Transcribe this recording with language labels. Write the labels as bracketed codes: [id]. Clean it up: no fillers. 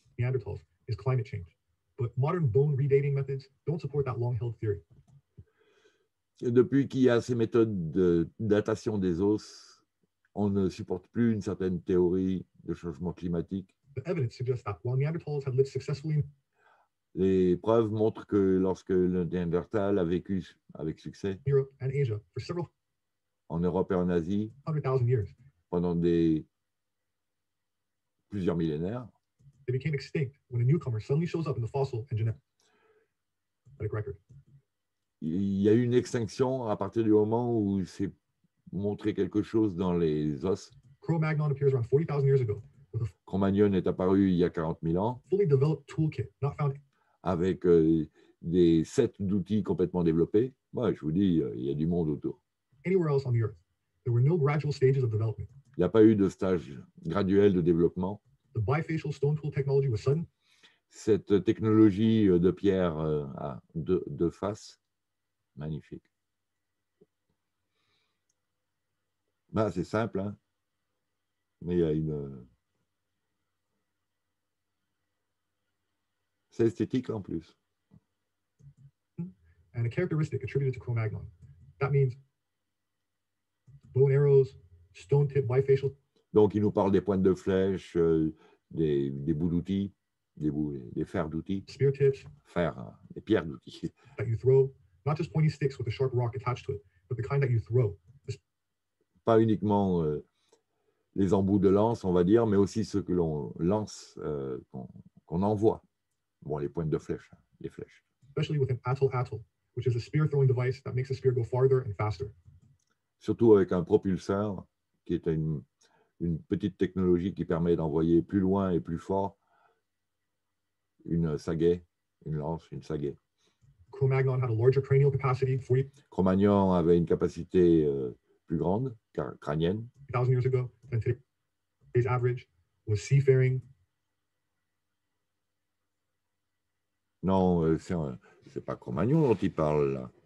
[en] Neanderthals is climate change. But modern bone redating methods don't support that long-held theory. [fr] Depuis qu'il y a ces méthodes de datation des os, on ne supporte plus une certaine théorie de changement climatique. [en] The evidence suggests that while Neanderthals had lived successfully... [fr] Les preuves montrent que lorsque le Néandertal a vécu avec succès [en] Europe and Asia for several... [fr] en Europe et en Asie [en] 100,000 years, [fr] pendant des plusieurs millénaires, [en] they became extinct when a newcomer suddenly shows up in the fossil and genetic record. [fr] Il y a eu une extinction à partir du moment où s'est montré quelque chose dans les os. [en] Cro-Magnon appears around 40,000 years ago. [fr] Cro-Magnon est apparu il y a 40 000 ans. [en] Fully developed toolkit, not found. [fr] Avec des sets d'outils complètement développés. Ouais, je vous dis, il y a du monde autour. [en] Anywhere else on the Earth, there were no gradual stages of development. [fr] Il n'y a pas eu de stage graduel de développement. [en] The bifacial stone tool technology was sudden. [fr] Cette technologie de pierre à deux faces. Magnifique. Ben, c'est simple, hein? Mais il y a une... C'est esthétique en plus. [en] And a characteristic attributed to Cro-Magnon. That means bone arrows, stone tip bifacial. [fr] Donc, il nous parle des pointes de flèche, des bouts d'outils, des fers d'outils. [en] Spear tips. [fr] Fer, hein, des pierres d'outils. [en] That you throw. Not just pointy sticks with a sharp rock attached to it, but the kind that you throw. [fr] Pas uniquement les embouts de lance, on va dire, mais aussi ceux que l'on lance, qu'on envoie. Bon, les pointes de flèche, les flèches. [en] Especially with an atel-atel, which is a spear-throwing device that makes a spear go farther and faster. [fr] Surtout avec un propulseur, qui est une petite technologie qui permet d'envoyer plus loin et plus fort une sagaie, une lance, une sagaie. [en] Cro-Magnon had a larger cranial capacity. [fr] Cro-Magnon avait une capacité plus grande, crânienne. [en] 1,000 years ago, than today's average was seafaring. [fr] Non, c'est pas Cro-Magnon dont il parle là.